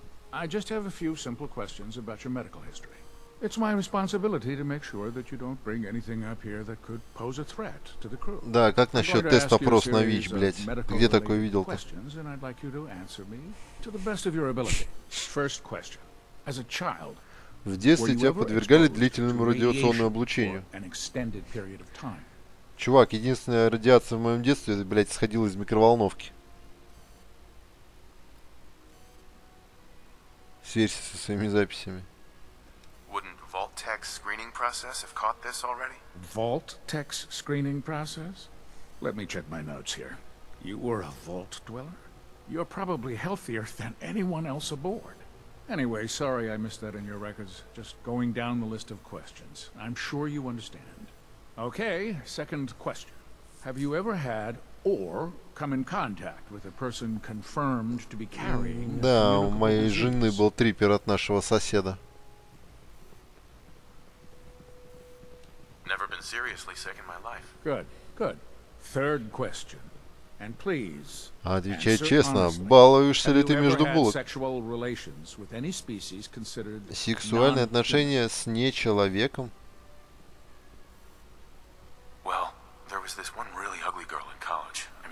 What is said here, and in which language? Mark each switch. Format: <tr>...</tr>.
<en>I just have a few simple questions about your medical history. It's my responsibility to make sure that you don't bring anything up here that could pose a threat to the crew.</en> <ru>Да, как насчет тест-опрос на ВИЧ, блять? Где такое видел-то?</ru> <en>Questions, and I'd like you to answer me to the best of your ability. First question. As a child,</en> <ru>в детстве тебя подвергали длительному радиационному облучению? Чувак, единственная радиация в моем детстве, блять, исходила из микроволновки. Сверься со своими записями.</ru> <en>Wouldn't Vault-Tec screening process have caught this already? Vault-Tec screening process? Let me check my notes here. You were a vault dweller? You're probably healthier than anyone else aboard. Anyway, sorry I missed that in your records. Just going down the list of questions. I'm sure you understand. Okay, second question. Have you ever had or come in contact with a person confirmed to be carrying.</en> <ru>Да, у моей жены был трипер от нашего соседа.</ru> <en>Never been seriously sick in my life. Good, good. Third question. And please.</en> <ru>Отвечай честно, балуешься ли ты между булок? Сексуальные отношения с нечеловеком?</ru> <en>Well, there was this one really ugly girl in college.</en>